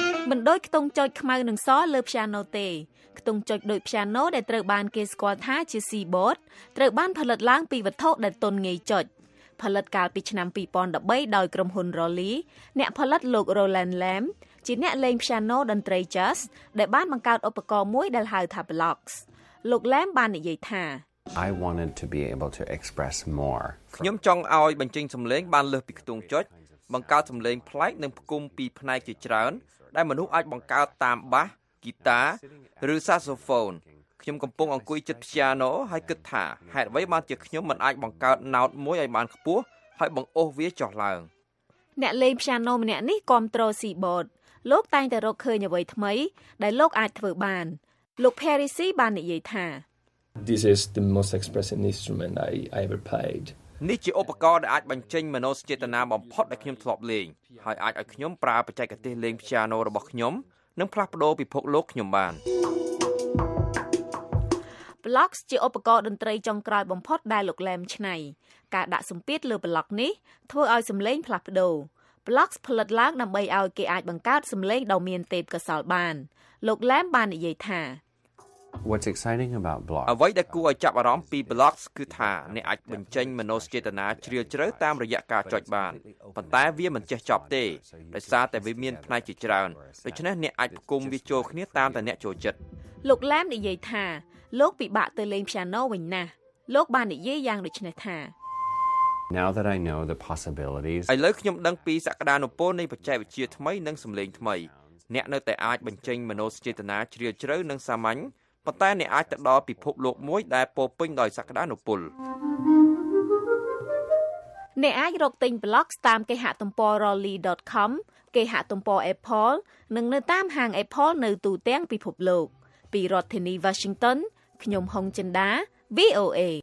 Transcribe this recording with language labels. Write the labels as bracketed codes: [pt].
[km] មិនដូចខ្ទង់ចុចខ្មៅនឹងសលើផ្ចាណូទេខ្ទង់ចុចដូចផ្ចាណូដែលត្រូវបានគេស្គាល់ថាជា C-Board ត្រូវបានផលិតឡើងពីវត្ថុដែលទន់ងាយចុចផលិតកាលពីឆ្នាំ2013ដោយក្រុមហ៊ុន Rolly អ្នកផលិតលោក Roland Lam ជាអ្នកលេងផ្ចាណូតន្ត្រី Jazz ដែលបានបង្កើតឧបករណ៍មួយដែលហៅថា Blocks លោក Lam បាននិយាយថា [en] I wanted to be able to express more [km] ខ្ញុំចង់ឲ្យបញ្ចេញសំឡេងបានលើសពីខ្ទង់ចុចបង្កើតសំឡេងប្លែកនិងផ្គុំពីផ្នែកជាច្រើនដែលមនុស្សអាចបង្កើតតាមបាសគីតាឬសាសូហ្វូនខ្ញុំកំពុងអង្គុយជិតព្យាណូហើយគិតថាហេតុអ្វីបានជាខ្ញុំមិនអាចបង្កើតណោតមួយឲ្យបានខ្ពស់ហើយបង្អុសវាចុះឡើង អ្នកលេងព្យាណូម្នាក់នេះគ្រប់គ្រង C-Board លោកតែងតែរកឃើញអ្វីថ្មីដែលលោកអាចធ្វើបានលោក Parisy បាននិយាយថា [en] This is the most expressive instrument I ever played [km] នេះជាឧបករណ៍ដែលអាចបញ្ចេញមនោសញ្ចេតនាបំផុតដែលខ្ញុំធ្លាប់លេងហើយអាចឲ្យខ្ញុំប្រើបច្ចេកទេសលេងព្យាណូរបស់ខ្ញុំនឹងផ្លាស់ប្ដូរពិភពលោកខ្ញុំបាន Blocks ជាឧបករណ៍តន្ត្រីចុងក្រោយបំផុតដែលលោកឡែមឆ្នៃការដាក់សម្ពាធលើ Block នេះធ្វើឲ្យសម្លេងផ្លាស់ប្ដូរ Blocks ផលិតឡើងដើម្បីឲ្យគេអាចបង្កើតសម្លេងដ៏មានទេពកោសល្យបានលោកឡែមបាននិយាយថា [en] What's exciting about blocks? [km] អ្វីដែលគួរឲ្យចាប់អារម្មណ៍ពី blocks គឺថាអ្នកអាចបញ្ចេញមនោសញ្ចេតនាជ្រាលជ្រៅតាមរយៈការចុចបានប៉ុន្តែវាមិនចេះចប់ទេដោយសារតែវាមានផ្នែកជាច្រើនដូច្នេះអ្នកអាចផ្គុំវាចូលគ្នាតាមតែអ្នកចូលចិត្ត លោកឡាមនិយាយថាលោកពិបាកទៅលេង piano វិញណាស់លោកបាននិយាយយ៉ាងដូច្នេះថា [en] Now that I know the possibilities [km] ឥឡូវខ្ញុំដឹងពីសក្តានុពលនៃបច្ចេកវិទ្យាថ្មីនិងសំឡេងថ្មីអ្នកនៅតែអាចបញ្ចេញមនោសញ្ចេតនាជ្រាលជ្រៅនិងសាមញ្ញប៉ុន្តែអ្នកអាចទៅដល់ពិភពលោកមួយដែលពោរពេញដោយសក្តានុពល អ្នកអាចរកទិញ blogs តាមគេហទំព័រ rolly.com គេហទំព័រ Apple និងនៅតាមហាង Apple នៅទូទាំងពិភពលោកពីរដ្ឋធានី Washington ខ្ញុំហុងចិនដា VOA